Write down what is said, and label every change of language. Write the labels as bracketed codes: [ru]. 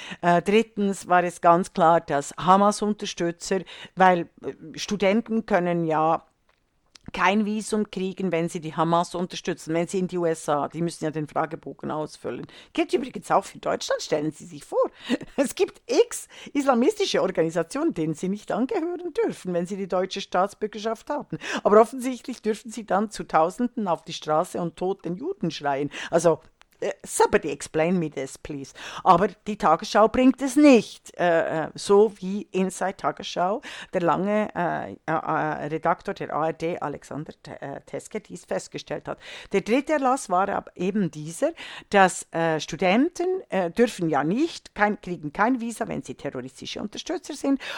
[de] Drittens war es ganz klar, dass Hamas-Unterstützer, weil Studenten können ja kein Visum kriegen, wenn sie die Hamas unterstützen, wenn sie in die USA, die müssen ja den Fragebogen ausfüllen. Gilt übrigens auch für Deutschland, stellen Sie sich vor. Es gibt x islamistische Organisationen, denen Sie nicht angehören dürfen, wenn Sie die deutsche Staatsbürgerschaft haben. Aber offensichtlich dürfen Sie dann zu Tausenden auf die Straße und tot den Juden schreien. Also [en] Somebody explain me this, please. [de] Aber die Tagesschau bringt es nicht. So wie Inside Tagesschau, der lange Redaktor der ARD, Alexander Teske, dies festgestellt hat. Der dritte Erlass war aber eben dieser, dass Studenten dürfen ja nicht, kriegen kein Visa, wenn sie terroristische Unterstützer sind.